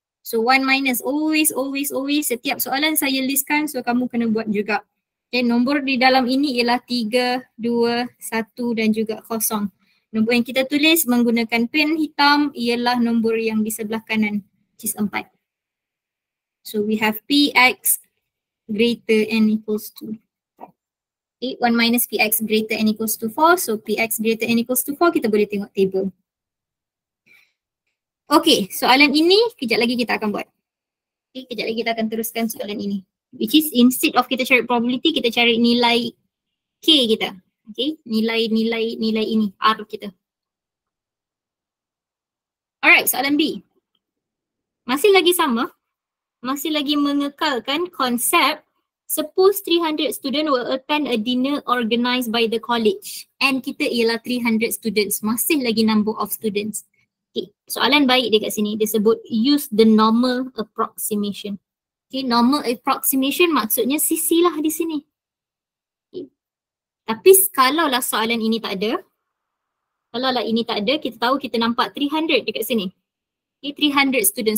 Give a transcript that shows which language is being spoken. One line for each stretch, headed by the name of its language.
English: So 1 minus, always, always, always
Malay: setiap soalan saya listkan, so kamu kena buat juga. Okay, nombor di dalam ini ialah 3, 2, 1 dan juga 0. Nombor yang kita tulis menggunakan pen hitam ialah nombor yang di sebelah kanan,
English: which is
Malay: 4.
English: So we have Px greater and equals to 8, 1 minus Px greater and equals to 4. So Px greater and equals to 4,
Malay: kita boleh tengok table. Okay, soalan ini kejap lagi kita akan buat. Okay, kejap lagi kita akan teruskan soalan ini.
English: Which is instead of
Malay: kita cari probability, kita cari nilai K kita. Okay, nilai ini, R kita. Alright, soalan B. Masih lagi sama. Masih lagi mengekalkan konsep.
English: Suppose 300 students will attend a dinner organized by the college.
Malay: And kita ialah 300 students. Masih lagi
English: number of students.
Malay: Okay, soalan baik dekat sini. Dia sebut
English: use the normal approximation.
Malay: Okay, normal approximation maksudnya sisi lah di sini. Okay. Tapi kalaulah soalan ini tak ada. Kalaulah ini tak ada, kita tahu kita nampak 300 dekat sini. Okay, 300 students.